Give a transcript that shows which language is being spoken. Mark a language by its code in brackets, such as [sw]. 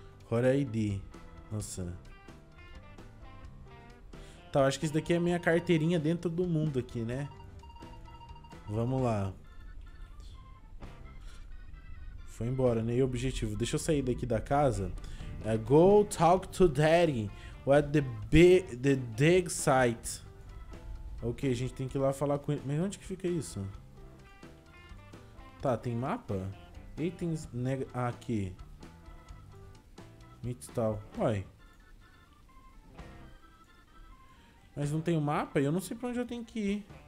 [pt] Hora ID. Nossa. Tá, eu acho que isso daqui é a minha carteirinha dentro do mundo aqui, né? Vamos lá. Foi embora, né? E o objetivo. Deixa eu sair daqui da casa. [en] Go talk to daddy at the dig site. [pt] Ok, a gente tem que ir lá falar com ele. Mas onde que fica isso? Tá, tem mapa? Itens neg. Ah, aqui. Meet tal. Uai. Mas não tem o mapa? Eu não sei pra onde eu tenho que ir.